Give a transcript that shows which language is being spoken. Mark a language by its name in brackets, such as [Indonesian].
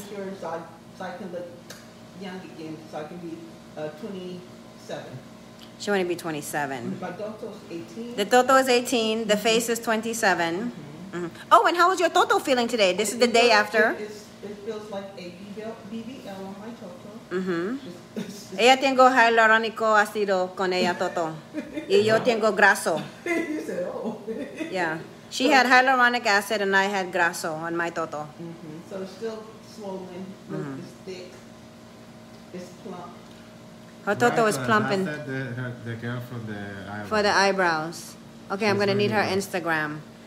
[English] And making sure so I can look young again, so I can be 27. She wanted to be 27. My toto's 18. The toto is 18. The face is 27. Mm-hmm. Mm-hmm. Oh, and how was your toto feeling today? This is the day after. It feels like a BBL on my toto. Mm-hmm. [Spanish] Ella tengo hyaluronico acido con ella toto. Y yo tengo graso. [English] You said, oh. Yeah. She had hyaluronic acid and I had graso on my toto. Mm-hmm. So it's still swollen. Mm-hmm. It's thick. It's plump. Her toto is plumping. That's the girl from the eyebrows. For the eyebrows. Okay, she's, I'm going to need her Instagram.